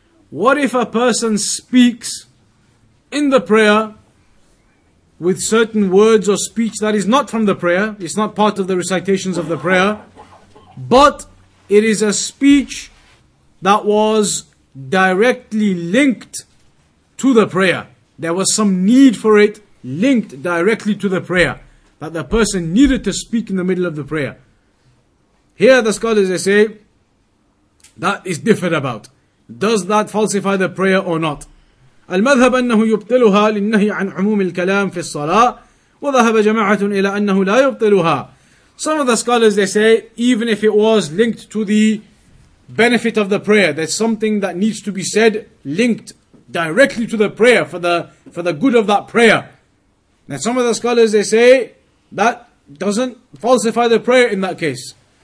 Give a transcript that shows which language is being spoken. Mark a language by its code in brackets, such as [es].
[en] What if a person speaks in the prayer with certain words or speech that is not from the prayer, it's not part of the recitations of the prayer, but it is a speech that was directly linked to the prayer. There was some need for it linked directly to the prayer, that the person needed to speak in the middle of the prayer. Here the scholars, they say, that is differed about. Does that falsify the prayer or not? [ar] المذهب أنه يبطلها للنهي عن عموم الكلام في الصلاة وذهب جماعة إلى أنه لا يبطلها. [en] Some of the scholars, they say, even if it was linked to the benefit of the prayer, there's something that needs to be said linked directly to the prayer for the good of that prayer. And some of the scholars, they say, that doesn't falsify the prayer in that case.